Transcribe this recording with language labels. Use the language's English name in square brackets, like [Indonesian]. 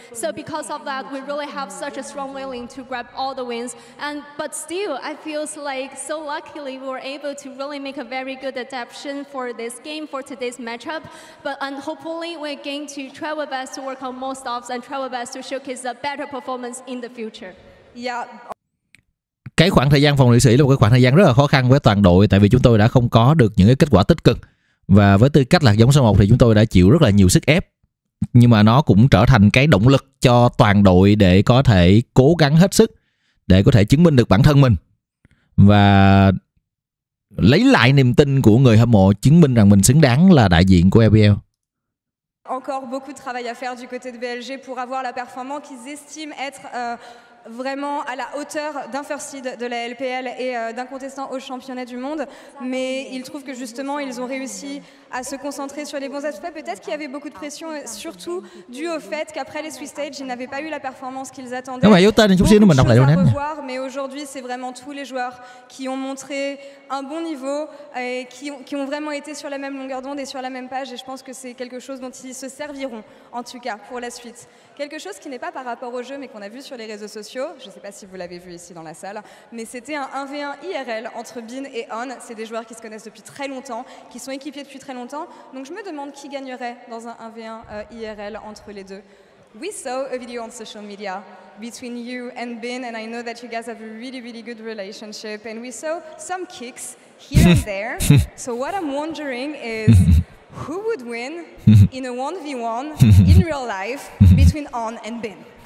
[English] So because of that, we really have such a strong willing to grab all the wins. But still, I feel like so luckily we were able to really make a very good adaptation for this game, for today's matchup. And hopefully we're going to try our best to work on more stuffs and try our best to showcase a better performance in the future. Yeah. [Vietnamese] Cái khoảng thời gian phòng Thụy Sĩ là một cái khoảng thời gian rất là khó khăn với toàn đội, tại vì chúng tôi đã không có được những cái kết quả tích cực. Và với tư cách là giống số 1 thì chúng tôi đã chịu rất là nhiều sức ép. Nhưng mà nó cũng trở thành cái động lực cho toàn đội để có thể cố gắng hết sức để có thể chứng minh được bản thân mình và lấy lại niềm tin của người hâm mộ, chứng minh rằng mình xứng đáng là đại diện của LPL. [French] Encore beaucoup de travail à faire du côté de BLG pour avoir la performance qu'ils estiment être vraiment à la hauteur d'un first seed de la LPL et d'un contestant au championnat du monde, mais ils trouvent que justement ils ont réussi à se concentrer sur les bons aspects. Peut-être qu'il y avait beaucoup de pression, surtout dû au fait qu'après les Swiss Stage, ils n'avaient pas eu la performance qu'ils attendaient. Mais yota, nous sommes dans la revoir, mais aujourd'hui, c'est vraiment tous les joueurs qui ont montré un bon niveau et qui ont vraiment été sur la même longueur d'onde et sur la même page. Et je pense que c'est quelque chose dont ils se serviront, en tout cas, pour la suite. Quelque chose qui n'est pas par rapport au jeu, mais qu'on a vu sur les réseaux sociaux. Je ne sais pas si vous l'avez vu ici dans la salle, mais c'était un 1v1 IRL entre Bin et On. C'est des joueurs qui se connaissent depuis très longtemps, qui sont équipiers depuis très longtemps. Donc je me demande qui gagnerait dans un 1v1 IRL entre les deux. [English] We saw a video on social media between you and Bin, and I know that you guys have a really, really good relationship. And we saw some kicks here and there. So what I'm wondering is, who would win in a 1v1 in real life between On and Bin?